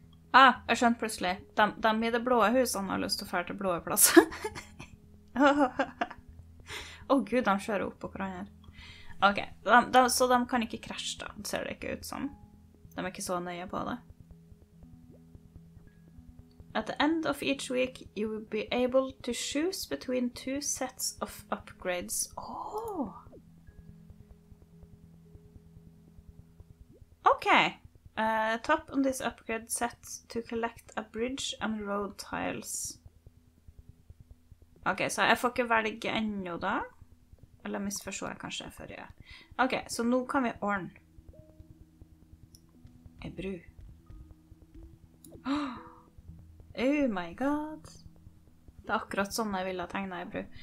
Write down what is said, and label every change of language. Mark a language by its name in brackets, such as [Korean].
[Norwegian] Jeg skjønte plutselig. De i det blå husene har lyst til å fære til blå plass. Gud, de kjører opp på hverandre. Ok, så de kan ikke krasje da, ser det ikke ut som. De er ikke så nøye på det. [English] At the end of each week, you will be able to choose between two sets of upgrades. Ok. Tap on this upgrade set to collect a bridge and road tiles. [Norwegian] Ok, så jeg får ikke velge enda da. Eller misforstå jeg kanskje før jeg. Ok, så nå kan vi ordne. En bru. [English] Oh my god. [Norwegian] Det er akkurat sånn jeg ville tegne en bru.